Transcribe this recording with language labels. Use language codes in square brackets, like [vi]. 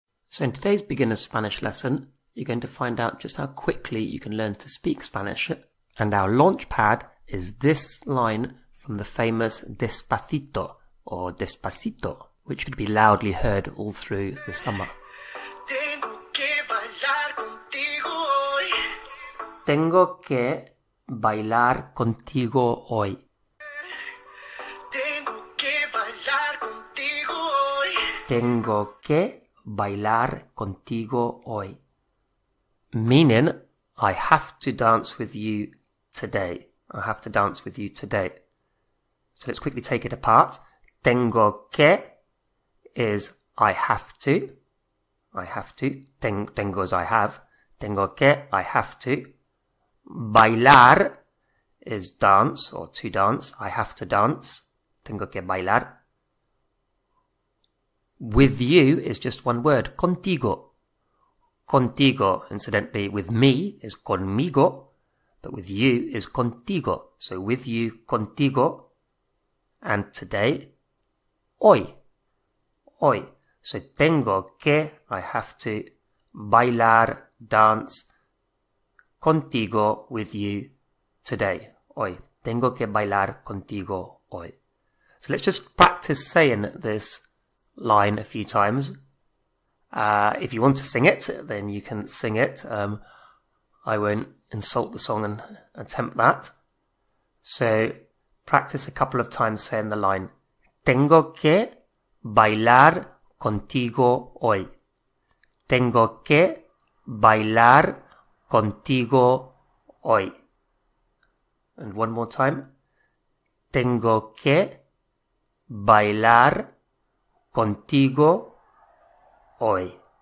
[en] So in today's beginner Spanish lesson, you're going to find out just how quickly you can learn to speak Spanish. And our launch pad is this line from the famous Despacito, or Despacito, which could be loudly heard all through the summer. [es] Tengo que bailar contigo hoy. Tengo que bailar contigo hoy. Tengo que bailar contigo hoy. Tengo que bailar contigo hoy. [en] meaning I have to dance with you today. I have to dance with you today. So let's quickly take it apart. [es] Tengo que [en] is I have to. I have to. [es] Tengo [en] is I have. [es] Tengo que, [en] I have to. Bailar is dance or to dance. I have to dance. [es] Tengo que bailar. [en] With you is just one word. [es] Contigo. Contigo. [en] Incidentally, with me is [es] conmigo. [en] But with you is [es] contigo. [en] So with you, [es] contigo. [en] And today, [es] hoy. Hoy. [en] So [es] tengo que, [en] I have to, [es] bailar, [en] dance, [es] contigo, [en] with you, today, [es] hoy. Tengo que bailar contigo hoy. [en] So let's just practice saying this line a few times. If you want to sing it, then you can sing it. I won't insult the song and attempt that. So practice a couple of times saying the line. [es] Tengo que bailar contigo hoy. Tengo que bailar contigo hoy. [en] And one more time. [es] Tengo que bailar contigo hoy.